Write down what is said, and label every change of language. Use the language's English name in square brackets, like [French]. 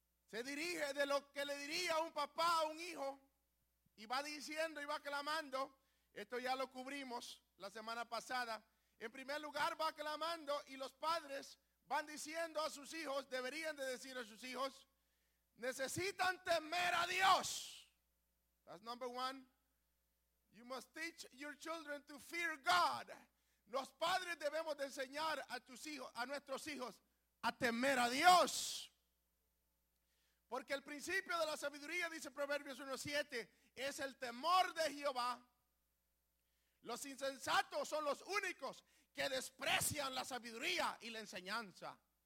[Spanish] Se dirige de lo que le diría un papá a un hijo. Y va diciendo y va clamando. Esto ya lo cubrimos la semana pasada. En primer lugar va clamando y los padres van diciendo a sus hijos, deberían de decir a sus hijos, necesitan temer a Dios. [English] That's number one. You must teach your children to fear God. [Spanish] Los padres debemos de enseñar a tus hijos, a nuestros hijos, a temer a Dios. Porque el principio de la sabiduría, dice Proverbios 1:7, es el temor de Jehová. Los insensatos son los únicos que desprecian la sabiduría y la enseñanza.